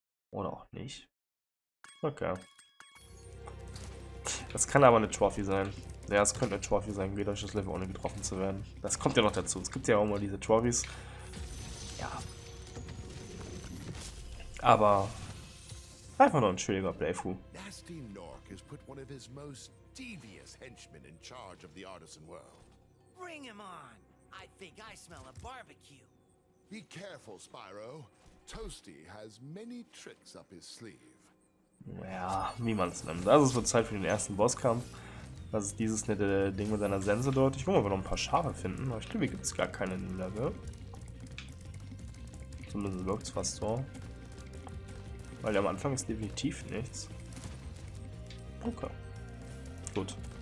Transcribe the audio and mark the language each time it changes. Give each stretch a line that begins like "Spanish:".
German: Oder auch nicht. Okay. Das kann aber eine Trophy sein. Ja, es könnte eine Trophy sein, geht durch das Level ohne getroffen zu werden. Das kommt ja noch dazu. Es gibt ja auch immer diese Trophys. Ja. Aber einfach nur ein schwieriger Playthrough.
English: Nasty Nork has put one of his most devious henchmen in charge of the artisan world. Bring him on. I think I smell a barbecue. Be careful, Spyro. Toasty has many tricks up his sleeve.
German: Ja, wie man es nimmt. Also es wird Zeit für den ersten Bosskampf. Das ist dieses nette Ding mit seiner Sense dort. Ich will mal noch ein paar Schafe finden, aber ich glaube, hier gibt es gar keine im Level. Zumindest wirkt es fast so. Weil am Anfang ist definitiv nichts. Okay. Gut.